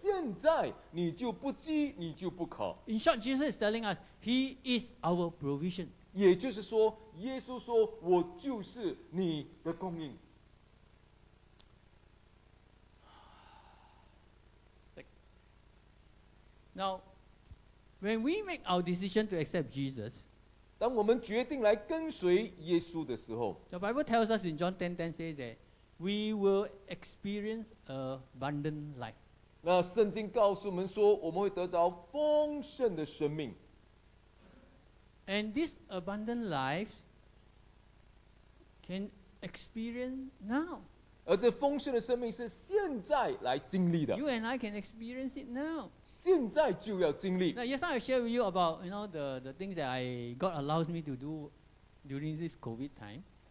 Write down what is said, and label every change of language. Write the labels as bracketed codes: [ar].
[zh] 所以这里意思就是耶稣说我就是生命的粮，凡来到我面前的，现在你就不饥，你就不渴。 [en] In short, Jesus is telling us, He is our provision. [zh] 也就是说，耶稣说我就是你的供应。 [en] Now, when we make our decision to accept Jesus, [zh] 当我们决定来跟随耶稣的时候, [en] the Bible tells us in John 10:10 says that we will experience abundant life. [zh] 那圣经告诉我们说, 我们会得着丰盛的生命。 [en] And this abundant life can experience now. [zh] 而这丰盛的生命是现在来经历的。 [en] You and I can experience it now. [zh] 现在就要经历。 [en] Now, yesterday I shared with you about, you know, the things that God allows me to do during this COVID time.